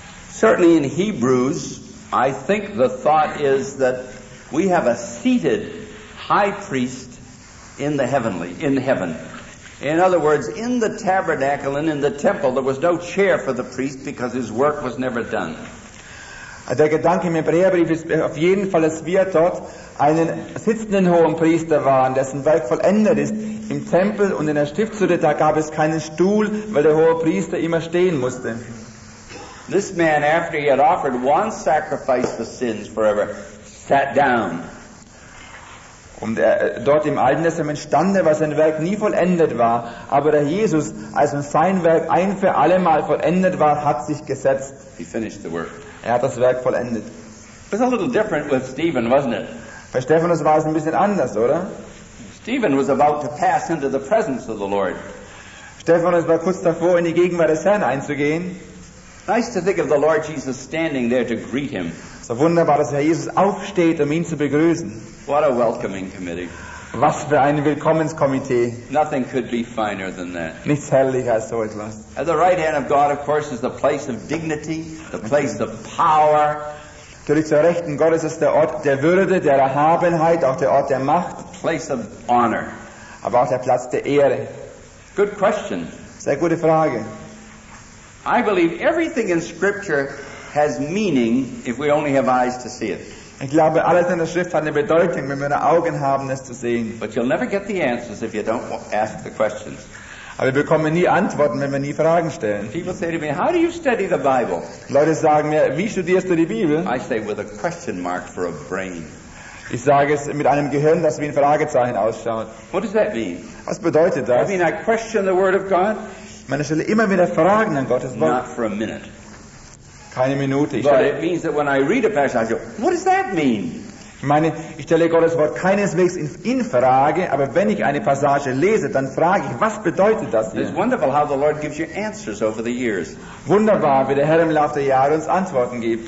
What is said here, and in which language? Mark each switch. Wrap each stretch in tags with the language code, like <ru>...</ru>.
<en>Certainly in Hebrews, I think the thought is that we have a seated high priest in the heavenly, in heaven. In other words, in the tabernacle and in the temple, there was no chair for the priest because his work was never done.</en> <de>Der Gedanke im Hebräerbrief ist auf jeden Fall, dass wir dort einen sitzenden hohen Priester waren, dessen Werk vollendet ist. Im Tempel und in der Stiftshütte, da gab es keinen Stuhl, weil der hohe Priester immer stehen musste.</de> <en>This man, after he had offered one sacrifice for sins forever, sat down.</en> <de>Und er, dort im Alten Testament stand er, weil sein Werk nie vollendet war. Aber der Jesus, als sein Werk ein für alle Mal vollendet war, hat sich gesetzt.</de> <en>He finished the work.</en> <de>Er hat das Werk vollendet.</de> <en>It was a little different with Stephen, wasn't it?</en> <de>Bei Stephanus war es ein bisschen anders, oder?</de> <en>Stephen was about to pass into the presence of the Lord.</en> <de>Stephanus war kurz davor, in die Gegenwart des Herrn einzugehen.</de> <en>Nice to think of the Lord Jesus standing there to greet him.</en> <de>So wunderbar, dass Herr Jesus aufsteht, um ihn zu begrüßen.</de> <en>What a welcoming committee.</en> <de>Was für ein Willkommenskomitee.</de> <en>Nothing could be finer than that.</en> <de>Nichts herrlicher als so etwas.</de> <en>At the right hand of God, of course, is the place of dignity, the place of power.</en> <de>Natürlich zur Rechten Gottes ist der Ort der Würde, der Erhabenheit, auch der Ort der Macht.</de> <en>The place of honor.</en> <de>Aber auch der Platz der Ehre.</de> <en>Good question.</en> <de>Sehr gute Frage.</de> <en>I believe everything in Scripture has meaning if we only have eyes to see it.</en> <de>Ich glaube, alles in der Schrift hat eine Bedeutung, wenn wir Augen haben, es zu sehen.</de> <en>But you'll never get the answers if you don't ask the questions.</en> <de>Aber wir bekommen nie Antworten, wenn wir nie Fragen stellen.</de> <en>People say to me, how do you study the Bible?</en> <de>Leute sagen mir, wie studierst du die Bibel?</de> <en>I say with a question mark for a brain.</en> <de>Ich sage es mit einem Gehirn, das wie ein Fragezeichen ausschaut.</de> <en>What does that mean?</en> <de>Was bedeutet das?</de> <en>I mean, I question the Word of God.</en> <de>Man stelle immer wieder Fragen an Gottes Wort.</de> <en>Not for a minute.</en> <de>Keine Minute.</de> <en>But it means that when I read a passage, I go, what does that mean?</en> <de>Ich meine, ich stelle Gottes Wort keineswegs in Frage, aber wenn ich eine Passage lese, dann frage ich, was bedeutet das hier?</de> <en>It's wonderful how the Lord gives you answers over the years.</en> <de>Wunderbar, wie der Herr im Laufe der Jahre uns Antworten gibt.</de>